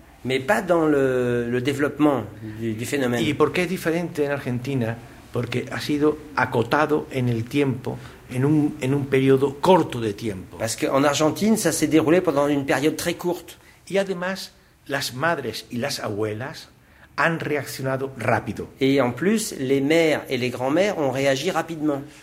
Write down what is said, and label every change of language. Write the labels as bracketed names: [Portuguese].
[French] Mais pas dans le développement du phénomène. [Spanish] Y por qué es diferente en Argentina, porque ha sido acotado en el tiempo, en un periodo corto de tiempo. [French] Parce qu'en Argentine, ça s'est déroulé pendant une période très courte. [Spanish] Y además, las madres y las abuelas han reaccionado rápido. [French] Y en plus, les mères et les grands-mères ont réagi rapidement.